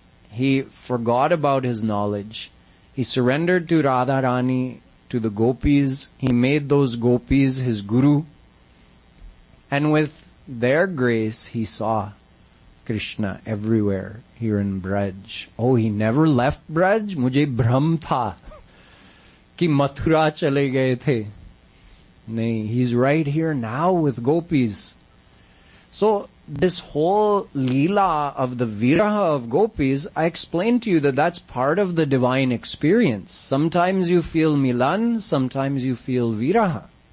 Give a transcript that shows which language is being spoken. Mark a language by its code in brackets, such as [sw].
[en] he forgot about his knowledge. He surrendered to Radharani, to the gopis. He made those gopis his guru. And with their grace, he saw Krishna everywhere here in Braj. Oh, he never left Braj? [hi] मुझे भ्रम था कि मथुरा चले गए थे. [en] Nay, he's right here now with gopis. So, this whole leela of the viraha of gopis, I explained to you that that's part of the divine experience. Sometimes you feel milan, sometimes you feel viraha.